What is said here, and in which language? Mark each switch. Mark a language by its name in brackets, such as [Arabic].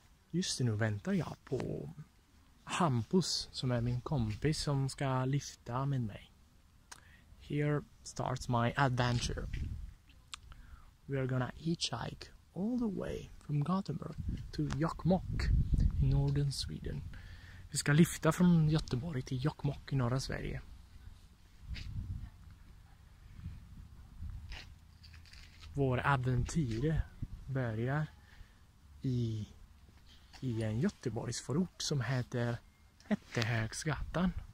[Swedish] Just nu väntar jag på Hampus, som är min kompis som ska lyfta med mig. [English] Here starts my adventure. We are gonna hitchhike all the way from Gothenburg to Jokkmokk i northern Sweden. [Swedish] Vi ska lyfta från Göteborg till Jokkmokk i norra Sverige. Vår äventyr börjar i en Göteborgsförort som heter Ettehögsgatan.